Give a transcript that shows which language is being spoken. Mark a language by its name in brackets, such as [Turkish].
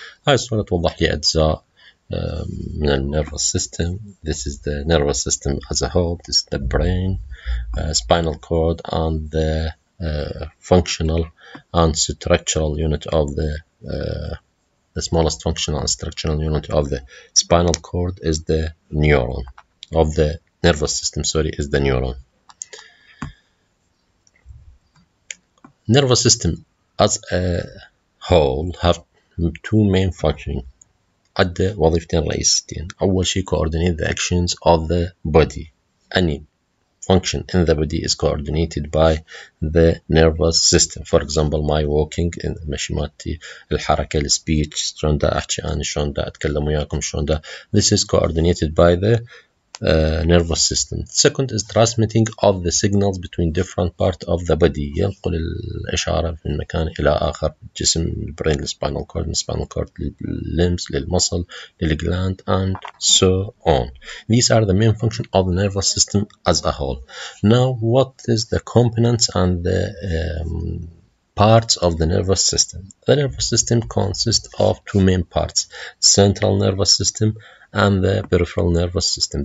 [Arabic] هاي الصورة توضح لي أجزاء من النيرفوس سيستم. [English] This is the nervous system as a whole. This is the brain, spinal cord, and the functional and structural unit of the smallest functional and structural unit of the spinal cord is the neuron of the nervous system. Sorry, is the neuron. Nervous system as a whole have two main functions. [Arabic] عدة وظيفتين رئيسيتين. أول شيء [English] coordinate the actions of the body. Any function in the body is coordinated by the nervous system. For example, my walking in [Arabic] مشيماتي الحركة ال speech شلون دا أحكي أنا شلون دا أتكلم وياكم شلون دا. [English] This is coordinated by the nervous system. Second is transmitting of the signals between different parts of the body. [Arabic] ينقل الإشارة من مكان إلى آخر جسم [English] brain, spinal cord, limbs, muscle, gland, and so on. These are the main function of the nervous system as a whole. Now, what is the components and the parts of the nervous system? The nervous system consists of two main parts: central nervous system and the peripheral nervous system.